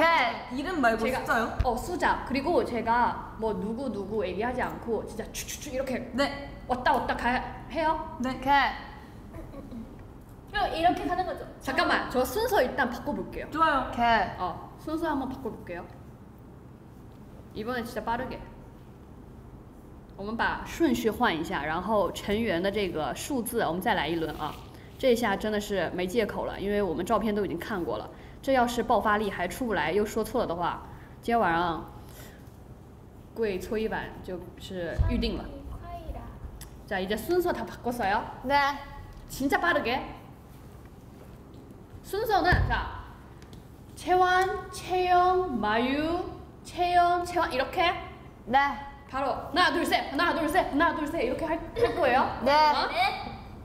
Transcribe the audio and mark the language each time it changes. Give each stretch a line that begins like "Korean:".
Korean: 네. 이름 말고 제가, 숫자요? 숫자 그리고 제가 뭐 누구 얘기하지 않고 진짜 추추추 이렇게 네 왔다 가 해요? 네 그럼 이렇게 가는 거죠? 잠깐만 저 순서 일단 바꿔볼게요. 좋아요. 순서 한번 바꿔볼게요. 이번에 진짜 빠르게
Chinese: 我们把顺序换一下然后成员的这个数字我们再来一轮啊 这下真的是没借口了因为我们照片都已经看过了这要是爆发力还出不来又说错了的话今天晚上跪搓衣板就是预定了
Korean: 자 이제 순서 다 바꿨어요? 네 진짜 빠르게 순서는 자 채원, 채영, 마유, 채영, 채원 이렇게? 네 바로 하나 둘 셋 하나 둘 셋 하나 둘 셋 이렇게 할 거예요? 네 어? 네